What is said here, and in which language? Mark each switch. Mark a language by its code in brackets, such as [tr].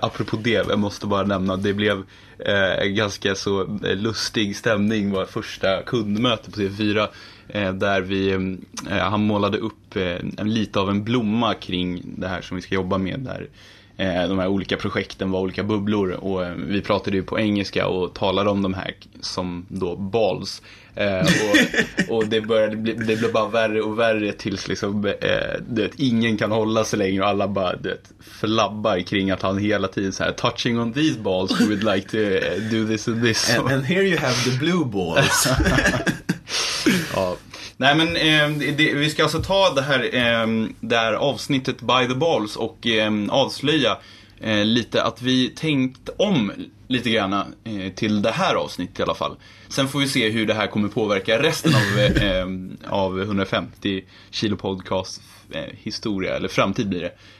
[sv] Apropå det, jag måste bara nämna, det blev ganska så lustig stämning vårt första kundmöte på TV4, där vi, han målade upp lite av en blomma kring det här som vi ska jobba med, där de här olika projekten var olika bubblor, och vi pratade ju på engelska och talade om de här som då balls, och det började bli, det blev bara värre och värre tills liksom, det, ingen kan hålla sig längre, och alla bara, det, flabbar kring att han hela tiden så här, touching on these balls, we would like to do this and this, [en] and here you have the blue balls. [sv] Ja. Nej, men vi ska alltså ta det här avsnittet By the Balls och avslöja lite att vi tänkt om lite grann till det här avsnittet i alla fall. Sen får vi se hur det här kommer påverka resten av 150 kilo podcast historia, eller framtid blir det.